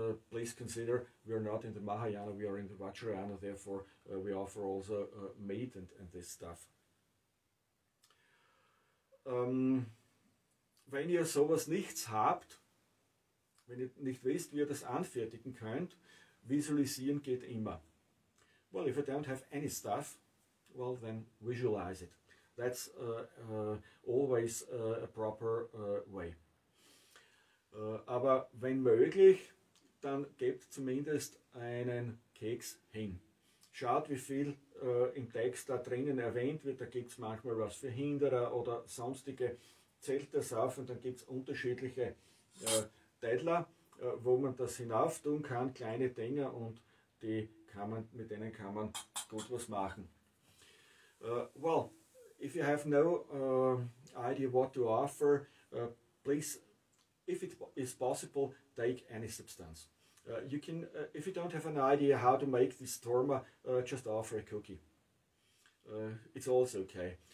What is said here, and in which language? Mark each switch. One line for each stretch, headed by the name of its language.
English: Please consider we are not in the Mahayana, we are in the Vajrayana, therefore we offer also meat and this stuff.
German: Wenn ihr sowas nichts habt, wenn ihr nicht wisst, wie ihr das anfertigen könnt, visualisieren geht immer.
English: Well, if I don't have any stuff, well, then visualize it. That's always a proper way.
German: Aber wenn möglich, dann gebt zumindest einen Keks hin. Schaut, wie viel im Text da drinnen erwähnt wird. Da gibt es manchmal was für Hinderer oder sonstige. Zählt das auf und dann gibt es unterschiedliche Teller, wo man das hinauf tun kann, kleine Dinge, und die kann man, mit denen kann man gut was machen.
English: Well, if you have no idea what to offer, please, if it is possible, take any substance. You can, if you don't have an idea how to make this torma, just offer a cookie. It's also okay.